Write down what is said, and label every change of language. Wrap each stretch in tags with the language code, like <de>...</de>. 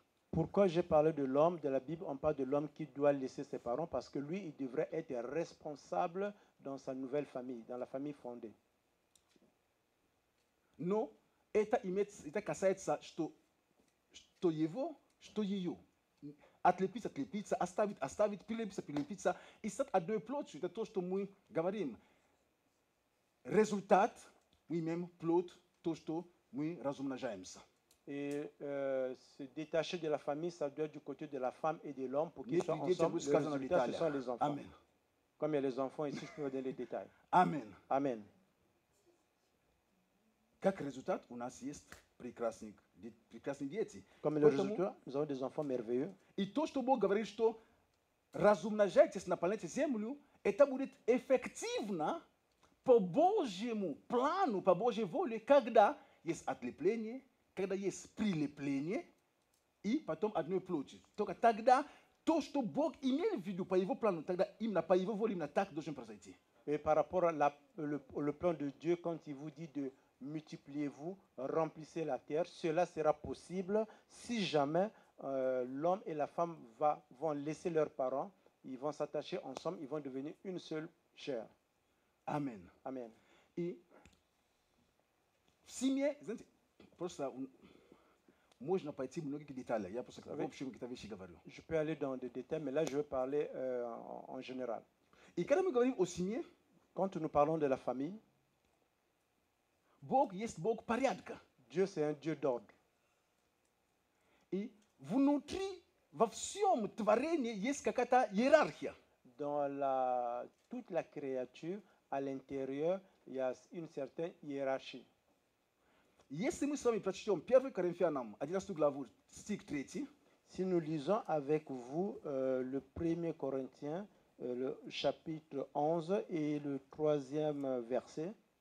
<fr>Pourquoi j'ai parlé de l'homme, de la Bible, on parle de l'homme qui doit laisser ses parents, parce que lui, il devrait être responsable dans sa nouvelle famille, dans la famille fondée. Non,</fr> <ru>это имеется, это касается что что его, что её. Отлепиться, отлепиться, оставить, оставить, прилепиться, прилепиться. И с одной плотью, это то, что мы говорим. Результат, мы имеем плод, то, что мы размножаемся.</ru> <fr>Et se détacher de la famille, ça doit être du côté de la femme et de l'homme pour qu'ils soient ensemble. Le résultat, ce sont les enfants. Amen. Comme il y a les enfants ici, je peux vous donner les détails. Amen. Amen.</fr> <ru>Как результат у нас есть прекрасные, прекрасные дети.</ru> <fr>Comme le résultat, nous avons des enfants merveilleux.</fr> <ru>И то, что Бог говорит, что размножайтесь на планете Землю, это будет эффективно по Божьему плану, по Божьей воле, когда есть отлепление, когда есть прилепление и потом одной плоти. Только тогда то, что Бог имел в виду по его плану, тогда именно по его воле, именно так должен произойти.</ru> <fr>Et par rapport à le plan de Dieu, quand il vous dit de multipliez-vous, remplissez la terre, cela sera possible si jamais l'homme et la femme vont laisser leurs parents, ils vont s'attacher ensemble, ils vont devenir une seule chair. Amen. Amen. Et si bien,</fr> <ru>просто можно пойти много к деталям. Я просто в общем какие-то вещи говорю.</ru> <fr>Je peux aller dans des détails, mais là je veux parler en général. Et quand nous</fr> <ru>говорим о семье,</ru> <fr>quand nous parlons de la famille,</fr> <ru>Бог есть Бог порядка.</ru> <fr>Dieu c'est un Dieu d'ordre. Et</fr> <ru>внутри во всем творении есть какая-то иерархия.</ru> <fr>Dans la toute la créature, à l'intérieur, il y a une certaine hiérarchie.</fr> <ru>Если мы с вами прочтем 1 Коринфянам 11 главу, стих 3.</ru> <fr>Si nous lisons avec vous le 1 Corinthiens le chapitre 11 et le 3e verset.</fr>